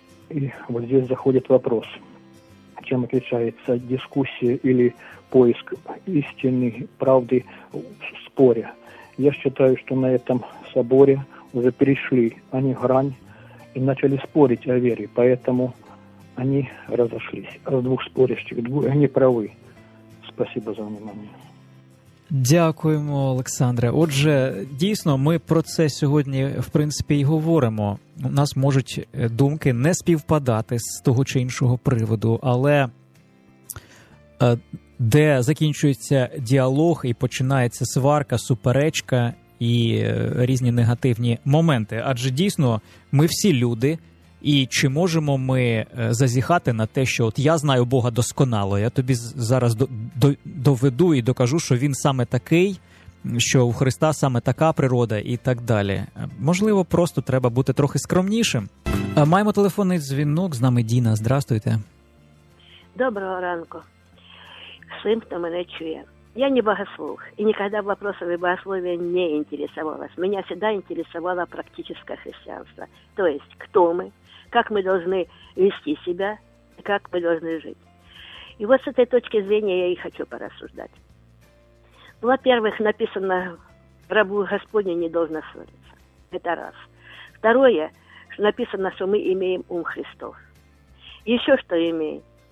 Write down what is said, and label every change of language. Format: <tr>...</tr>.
<ru>И вот здесь заходит вопрос, чем отличается дискуссия или поиск истины, правды в споре. Я считаю, что на этом соборе уже перешли они грань и начали спорить о вере, поэтому они разошлись. Раз двух спорящих, они правы. Спасибо за внимание.</ru> <uk>Дякуємо, Олександре. Отже, дійсно, ми про це сьогодні, в принципі, і говоримо. У нас можуть думки не співпадати з того чи іншого приводу, але де закінчується діалог і починається сварка, суперечка і різні негативні моменти. Адже, дійсно, ми всі люди, і чи можемо ми зазіхати на те, що от я знаю Бога досконало, я тобі зараз доведу і докажу, що він саме такий, що у Христа саме така природа і так далі. Можливо, просто треба бути трохи скромнішим. Маємо телефонний дзвінок, з нами Діна, здравствуйте. Доброго ранку. Всім, хто мене чує. Я не богослуг, і ніколи в питаннях богослов'я не цікавилась. Мене завжди цікавило практичне християнство. Тобто, хто ми?</uk> <ru>Как мы должны вести себя, как мы должны жить. И вот с этой точки зрения я и хочу порассуждать. Ну, во-первых, написано, рабу Господню не должно ссориться. Это раз. Второе, что написано, что мы имеем ум Христов. Еще что имеем?</ru>